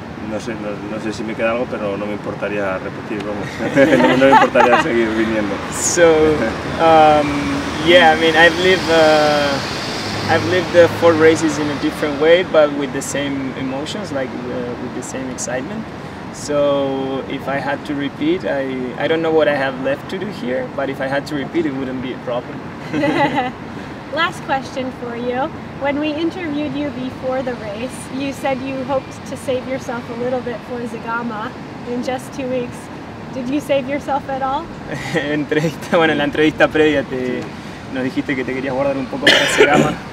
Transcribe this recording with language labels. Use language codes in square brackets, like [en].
[es] No sé si me queda algo, pero no me importaría repetir, vamos. no me importaría seguir viniendo. [en] So, I've lived the four races in a different way, but with the same emotions, like with the same excitement. So if I had to repeat, I don't know what I have left to do here, but if I had to repeat, it wouldn't be a problem. Last question for you. When we interviewed you before the race, you said you hoped to save yourself a little bit for Zegama in just 2 weeks. Did you save yourself at all? [es] En la entrevista previa nos dijiste que te querías guardar un poco para Zegama.